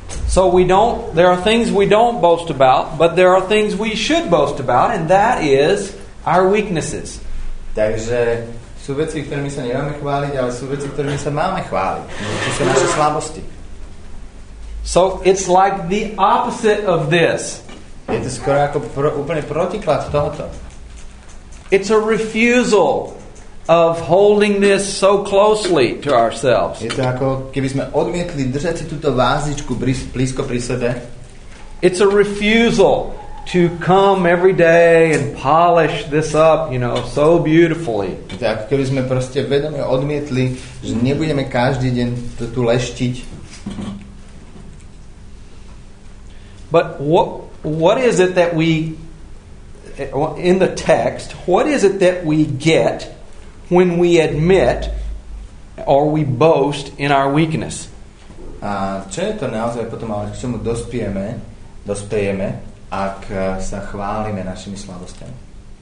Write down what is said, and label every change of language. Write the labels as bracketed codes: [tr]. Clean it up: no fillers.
[en] So we don't, there are things we don't boast about, but there are things we should boast about, and that is our weaknesses. [sk] Takže sú veci, ktorými sa nemáme chváliť, ale sú veci, ktorými sa máme chváliť. To sú naše slabosti. [en] So it's like the opposite of this. [sk] Je to skoro ako úplne protiklad tohoto. [en] It's a refusal of holding this so closely to ourselves. [sk] Je to ako keby sme odmietli držať si túto vázičku blízko pri sebe. [en] It's a refusal to come every day and polish this up, you know, so beautifully. [sk] Je to ako keby sme proste vedome odmietli, že nebudeme každý deň to tu leštiť. [en] But what is it that we in the text, what is it that we get when we admit or we boast in our weakness? [sk] A čo je to naozaj potom, ale k čomu dospiejeme, ak sa chválime našimi slabosťami?